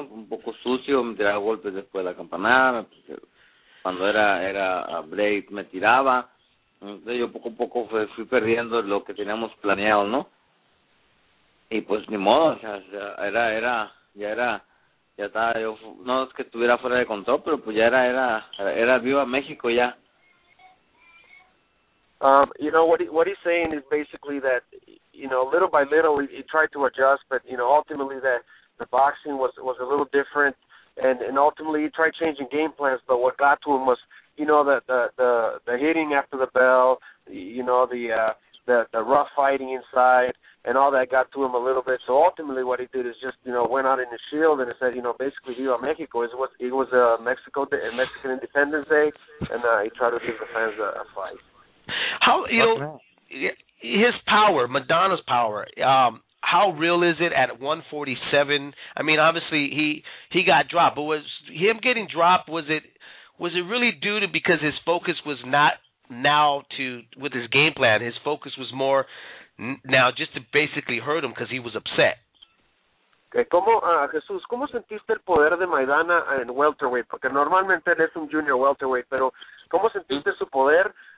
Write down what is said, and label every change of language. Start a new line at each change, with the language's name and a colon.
Spanish: Un poco sucio, me tiraba golpes después de la campanada, cuando era Blade me tiraba. Entonces yo poco a poco fui perdiendo lo que teníamos planeado, ¿no? Y pues ni modo, o sea, ya estaba yo, no es que estuviera fuera de control, pero pues ya era Viva México ya.
English: You know, what he's saying is basically that, you know, little by little, he tried to adjust, but, you know, ultimately that the boxing was a little different, and ultimately he tried changing game plans, but what got to him was, you know, the hitting after the bell, you know, the rough fighting inside, and all that got to him a little bit. So ultimately what he did is just, you know, went out in the shield and said, you know, basically
Spanish: Viva Mexico.
English: It was Mexican Independence Day, and he tried to give the fans a fight. How, you know, his power, Maidana's power, how real is it at 147? I mean, obviously he got dropped, but was him getting dropped, was it really due to because his focus was not now to, with his game plan, his focus was more now just to basically hurt him because he was upset?
Spanish: ¿Cómo, Jesús, cómo sentiste el poder de Maidana en welterweight? Porque normalmente él es un junior welterweight, pero ¿cómo sentiste su poder?